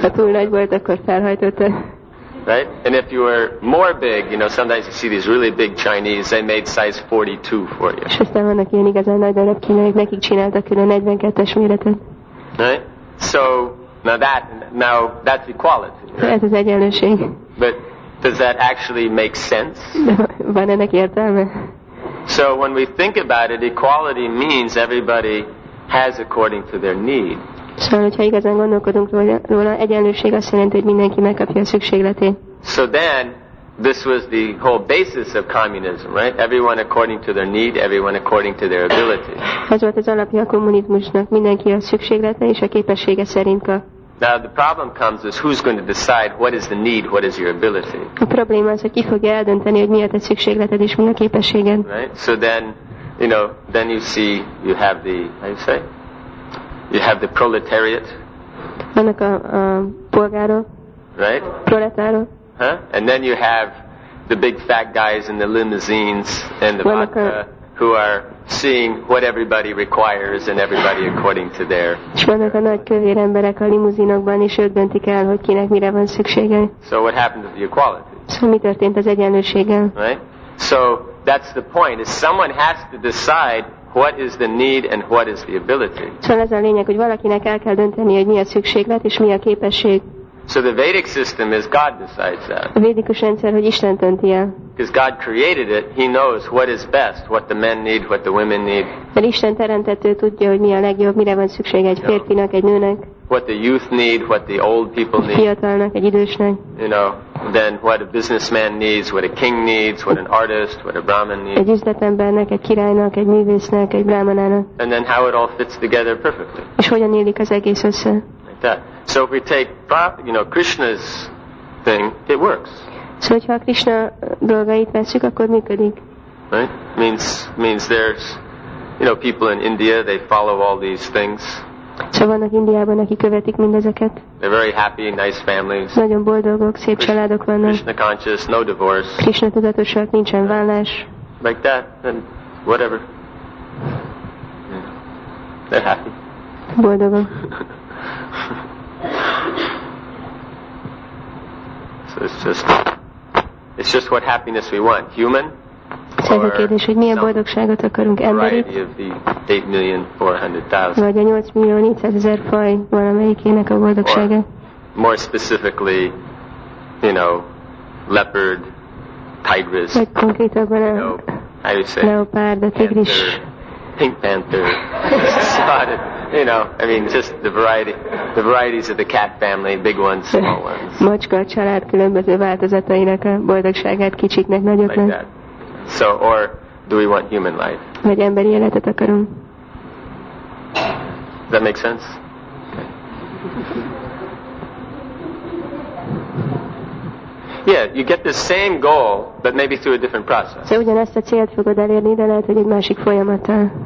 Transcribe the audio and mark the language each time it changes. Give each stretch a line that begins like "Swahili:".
Hungarian: Ha túl nagy volt, akkor felhajtottad.
English: Right? And if you were more big, you know, sometimes you see these really big Chinese, they made size 42 for you.
Hungarian: És aztán vannak ilyen igazán nagy darab kínaiak, nekik csináltak külön 42-es méretet.
English: Right? So, now that's equality.
Hungarian: Ez az egyenlőség.
English: But does that actually make sense?
Hungarian: Van ennek értelme?
English: So when we think about it, equality means everybody has according to their need.
Hungarian: Szóval, hogyha igazán gondolkodunk róla, egyenlőség azt jelenti, hogy mindenki megkapja a szükségletét.
English: So then, this was the whole basis of communism, right? Everyone according to their need, everyone according to their ability.
Hungarian: Ez volt az alapja a kommunizmusnak, mindenki a szükséglete és a képessége szerint kap.
English: Now the problem comes is who's going to decide what is the need, what is your ability.
Hungarian: A probléma az, hogy ki fogja eldönteni, hogy mi a te szükségleted és mi a képességed.
English: Right? So then, you know, then you see, you have the, how you say? You have the proletariat.
Hungarian: Vannak a polgárok.
English: Right?
Hungarian: Proletárok. Huh?
English: And then you have the big fat guys in the limousines and the vodka who are seeing what everybody requires and everybody according to their...
Hungarian: És vannak a nagy kövér emberek a limuzinokban, és ők döntik el, hogy kinek mire van szüksége.
English: So what happened to the equality?
Hungarian: Szóval mi történt az egyenlőséggel?
English: Right? So that's the point. Is someone has to decide what is the need and what is the ability?
Hungarian: Szóval ez a lényeg, hogy valakinek el kell dönteni, hogy mi a szükséglet és mi a képesség.
English: So the Vedic system is God decides that.
Hungarian: A védikus rendszer, hogy Isten dönti el.
English: Because God created it, He knows what is best, what the men need, what the women need.
Hungarian: Mert Isten teremtett, ő tudja, hogy mi a legjobb, mire van szükség egy férfinak, egy nőnek.
English: What the youth need, what the old people need.
Hungarian: Fiatalnak, egy idősnek.
English: You know, then what a businessman needs, what a king needs, what an artist, what a brahmin needs.
Hungarian: Egy üzletembernek, egy királynak, egy művésznek, egy brahmanának.
English: And then how it all fits together perfectly.
Hungarian: És hogyan élik az egész össze.
English: Like that. So if we take, you know, Krishna's thing, it works.
Hungarian: So hogyha a Krishna dolgait veszük, akkor működik.
English: Right? Means there's, you know, people in India, they follow all these things.
Hungarian: Szóval vannak Indiában, akik követik mindezeket.
English: They're very happy, nice families.
Hungarian: Nagyon boldogok, szép családok vannak.
English: Krishna conscious, no divorce.
Hungarian: Krishna tudatosak, nincsen válás.
English: Like that, and whatever. They're happy.
Hungarian: Boldogok.
English: It's just what happiness we want. Human?
Hungarian: Ez a kérdés, hogy milyen boldogságot akarunk, emberit? Vagy a 8.400.000 faj valamelyikének a boldogsága?
English: More specifically, you know, leopard, tigris.
Hungarian: Vagy konkrétabban a leopárd, a tigris.
English: Pink panther, spotted, you know, I mean, just the varieties of the cat family, big ones, small ones.
Hungarian: Macska a család különböző változatainak a boldogságát, kicsiknek, nagyoknak.
English: Like that. So, or do we want human life?
Hungarian: Vagy emberi életet akarunk.
English: Does that make sense? Okay. Yeah, you get the same goal, but maybe through a different process.
Hungarian: So, ugyanezt a célt fogod elérni, de lehet, hogy egy másik folyamattal.